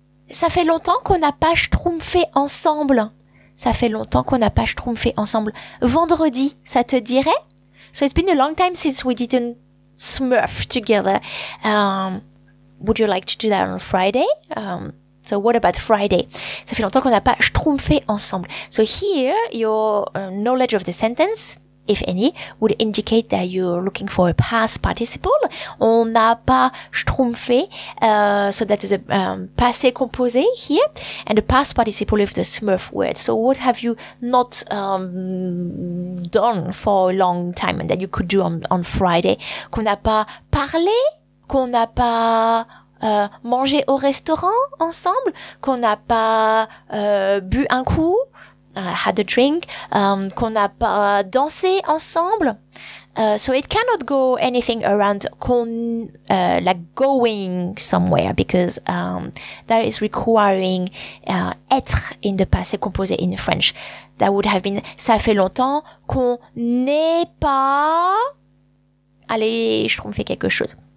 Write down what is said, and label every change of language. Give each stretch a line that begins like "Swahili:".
French: Ça fait longtemps qu'on n'a pas schtroumpfé ensemble. Ça fait longtemps qu'on n'a pas schtroumpfé ensemble. Vendredi, ça te dirait?
English: So it's been a long time since we didn't smurf together. Would you like to do that on Friday? So what about Friday?
French: Ça fait longtemps qu'on n'a pas schtroumpfé ensemble.
English: So here, your knowledge of the sentence, if any, would indicate that you're looking for a past participle.
French: On n'a pas schtroumpfé.
English: So that is a passé composé here. And a past participle of the smurf word. So what have you not done for a long time and that you could do on Friday?
French: Qu'on n'a pas parlé? Qu'on n'a pas manger au restaurant ensemble, qu'on n'a pas bu un coup,
English: had a drink,
French: qu'on n'a pas dansé ensemble.
English: So it cannot go anything around going somewhere because that is requiring être in the passé composé in French. That would have been,
French: ça fait longtemps qu'on n'est pas allé schtroumpfer quelque chose.